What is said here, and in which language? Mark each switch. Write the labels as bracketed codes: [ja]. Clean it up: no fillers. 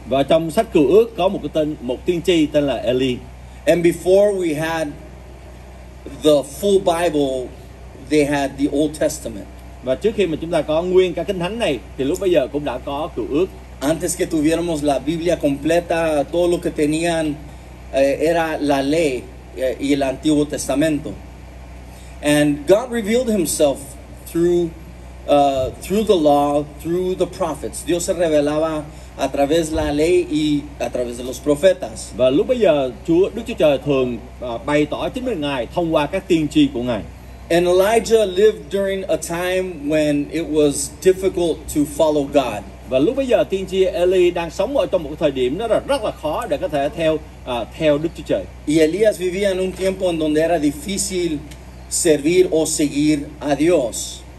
[vi] Và trong sách Cựu Ước có một cái tên, một tiên tri tên là Eli. [en] And before we had the full Bible, they had the Old Testament. [vi] Và trước khi mà chúng ta có nguyên cả Kinh Thánh này, thì lúc bây giờ cũng đã có Cựu Ước. [es] Antes que tuviéramos la Biblia completa, todo lo que tenían era la ley y el Antiguo Testamento. [en] And God revealed himself through the law, through the prophets. [es] Dios se revelaba a través la ley y a través de los profetas. [vi] Và lúc bây giờ Đức Chúa Trời thường bày tỏ chính với Ngài thông qua các tiên tri của Ngài. [en] And Elijah lived during a time when it was difficult to follow God. [vi] Và lúc bây giờ tiên tri Eli đang sống ở trong một thời điểm đó là rất là khó để có thể theo Đức Chúa Trời. [es] Y Elías vivía en un tiempo en donde era difícil servir o seguir a Dios.